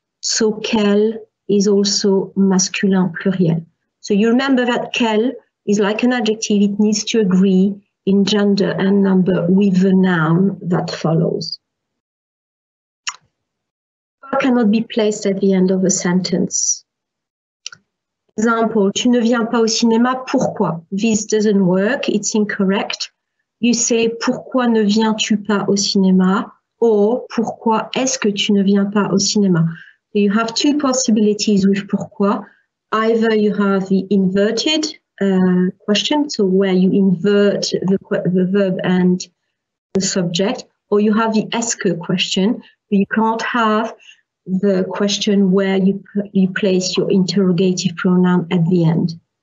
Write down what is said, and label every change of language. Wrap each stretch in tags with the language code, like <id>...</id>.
<en>So, quel is also masculin pluriel. So, you remember that quel is like an adjective, it needs to agree in gender and number with the noun that follows. Quoi cannot be placed at the end of a sentence. Example,</en> <fr>tu ne viens pas au cinéma, pourquoi?</fr> <en>This doesn't work, it's incorrect. You say,</en> <fr>pourquoi ne viens-tu pas au cinéma? Or, pourquoi est-ce que tu ne viens pas au cinéma?</fr> <en>So you have two possibilities with pourquoi. Either you have the inverted question, so where you invert the verb and the subject, or you have the ask a question, but you can't have the question where you place your interrogative pronoun at the end.</en>